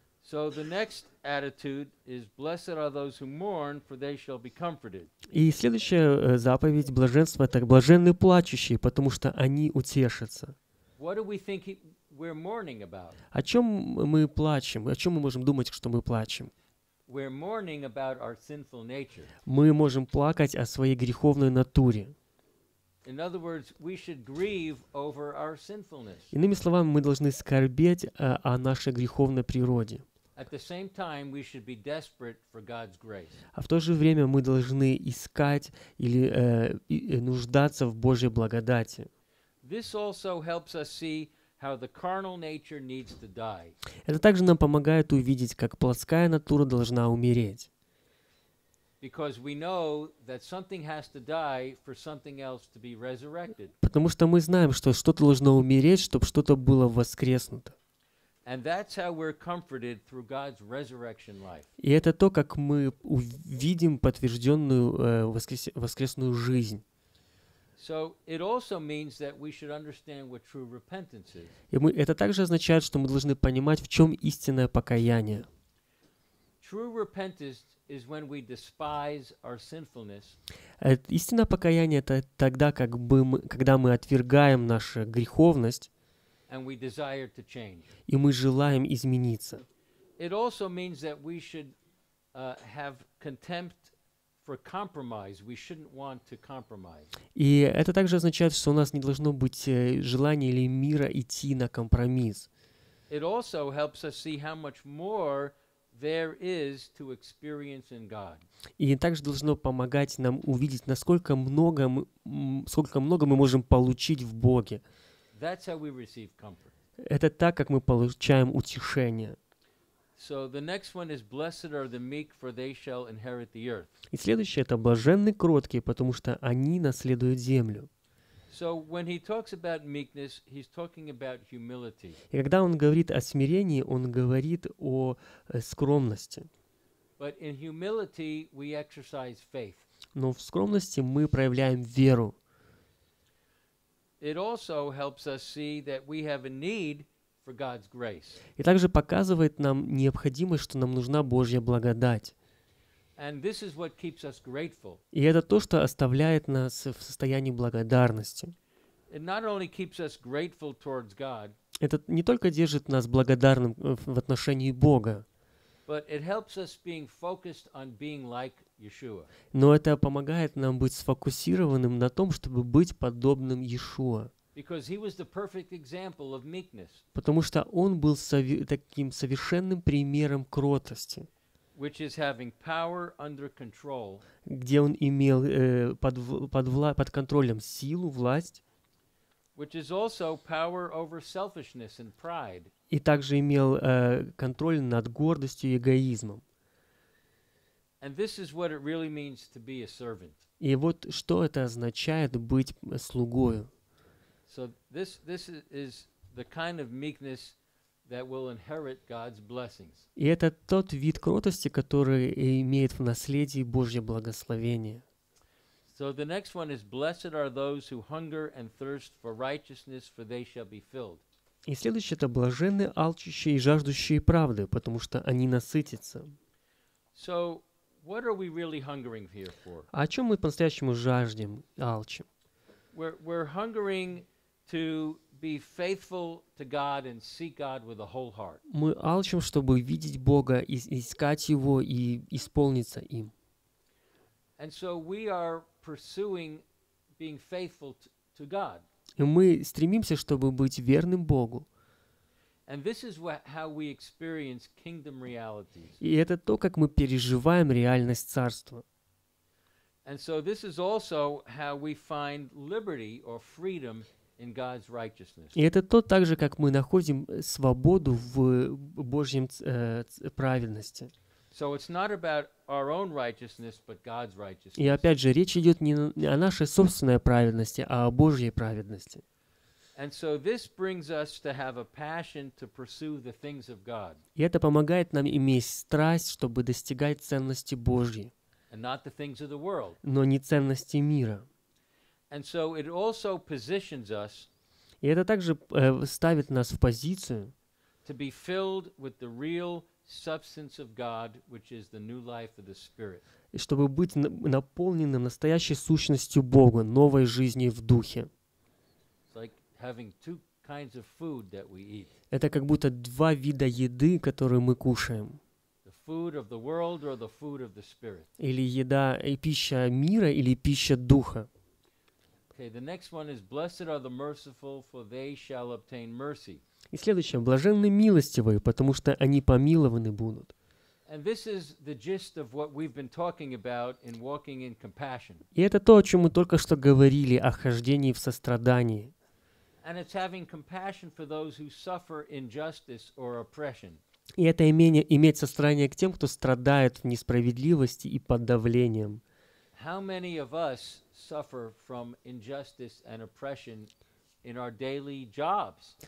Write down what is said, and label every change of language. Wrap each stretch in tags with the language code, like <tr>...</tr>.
<ru>И следующая заповедь блаженства – это блаженны плачущие, потому что они утешатся.</ru> <en>We're mourning about.</en> <ru>О чем мы плачем? О чем мы можем думать, что мы плачем?</ru> <en>We're mourning about our sinful nature.</en> <ru>Мы можем плакать о своей греховной натуре.</ru> <en>In other words, we should grieve over our sinfulness.</en> <ru>Иными словами, мы должны скорбеть о нашей греховной природе.</ru> <en>At the same time, we should be desperate for God's grace.</en> <ru>А в то же время мы должны искать или нуждаться в Божьей благодати.</ru> <en>This also helps us see how the carnal nature needs to die.</en> <ru>Это также нам помогает увидеть, как плотская натура должна умереть.</ru> <en>Because we know that something has to die for something else to be resurrected.</en> <ru>Потому что мы знаем, что что-то должно умереть, чтобы что-то было воскреснуто.</ru> <en>And that's how we're comforted through God's resurrection life.</en> <ru>И это то, как мы увидим подтвержденную воскресную жизнь.</ru> <en>So it also means that we should understand what true repentance is.</en> <ru>И мы, это также означает, что мы должны понимать, в чем истинное покаяние.</ru> <en>True repentance is when we despise our sinfulness.</en> <ru>Истинное покаяние это тогда, как бы мы, когда мы отвергаем нашу греховность.</ru> <en>And we desire to change.</en> <ru>И мы желаем измениться.</ru> <en>It also means that we should have contempt for compromise. We shouldn't want to compromise.</en> <ru>И это также означает, что у нас не должно быть желания или мира идти на компромисс.</ru> <en>It also helps us see how much more there is to experience in God.</en> <ru>И также должно помогать нам увидеть, насколько много мы можем получить в Боге.</ru> <en>That's how we receive comfort.</en> <ru>Это так, как мы получаем утешение.</ru> <en>So the next one is blessed are the meek, for they shall inherit the earth.</en> <ru>И следующее это блаженны кроткие, потому что они наследуют землю.</ru> <en>So when he talks about meekness, he's talking about humility.</en> <ru>И когда он говорит о смирении, он говорит о скромности.</ru> <en>But in humility we exercise faith.</en> <ru>Но в скромности мы проявляем веру.</ru> <en>It also helps us see that we have a need for God's grace.</en> <ru>И также показывает нам необходимость, что нам нужна Божья благодать.</ru> <en>And this is what keeps us grateful.</en> <ru>И это то, что оставляет нас в состоянии благодарности.</ru> <en>It not only keeps us grateful towards God,</en> <ru>это не только держит нас благодарным в отношении Бога,</ru> <en>but it helps us being focused on being like Yeshua.</en> <ru>Но это помогает нам быть сфокусированным на том, чтобы быть подобным Иешуа.</ru> <en>Because he was the perfect example of meekness.</en> <ru>Потому что он был таким совершенным примером кротости.</ru> <en>Which is having power under control.</en> <ru>Где он имел под контролем силу, власть.</ru> <en>Which is also power over selfishness and pride.</en> <ru>И также имел контроль над гордостью и эгоизмом.</ru> <en>And this is what it really means to be a servant.</en> <ru>И вот что это означает быть слугою.</ru> <en>So this is the kind of meekness that will inherit God's blessings.</en> <ru>И это тот вид кротости, который имеет в наследии Божье благословение.</ru> <en>So the next one is blessed are those who hunger and thirst for righteousness, for they shall be filled.</en> <ru>И следующее это блаженны алчущие и жаждущие правды, потому что они насытятся.</ru> <en>So what are we really hungering here for?</en> <ru>О чем мы по-настоящему жаждем, алчим?</ru> <en>We're hungering to be faithful to God and seek God with a whole heart.</en> <ru>Мы алчим, чтобы видеть Бога и искать его и исполниться им.</ru> <en>And so we are pursuing being faithful to God.</en> <ru>И мы стремимся, чтобы быть верным Богу.</ru> <en>And this is how we experience kingdom realities.</en> <ru>И это то, как мы переживаем реальность царства.</ru> <en>And so this is also how we find liberty or freedom in God's righteousness.</en> <ru>И это то также, как мы находим свободу в Божьем праведности.</ru> <en>So it's not about our own righteousness, but God's righteousness.</en> <ru>И опять же, речь идет не о нашей собственной праведности, а о Божьей праведности.</ru> <en>And so this brings us to have a passion to pursue the things of God.</en> <ru>И это помогает нам иметь страсть, чтобы достигать ценности Божьей.</ru> <en>And not the things of the world.</en> <ru>Но не ценности мира.</ru> <en>And so it also positions us.</en> <ru>И это также ставит нас в позицию.</ru> <en>To be filled with the real substance of God, which is the new life of the Spirit.</en> <ru>И чтобы быть наполненным настоящей сущностью Бога, новой жизнью в духе.</ru> <en>It's like having two kinds of food that we eat.</en> <ru>Это как будто два вида еды, которые мы кушаем.</ru> <en>The food of the world or the food of the Spirit.</en> <ru>Или еда и пища мира или пища духа.</ru> <en>Okay, the next one is blessed are the merciful, for they shall obtain mercy.</en> <ru>И следующее, блаженны милостивые, потому что они помилованы будут.</ru> <en>And this is the gist of what we've been talking about in walking in compassion.</en> <ru>И это то, о чем мы только что говорили, о хождении в сострадании.</ru> <en>And it's having compassion for those who suffer injustice or oppression.</en> <ru>И это иметь сострадание к тем, кто страдает в несправедливости и под давлением.</ru> <en>How many of us suffer from injustice and oppression in our daily jobs?</en>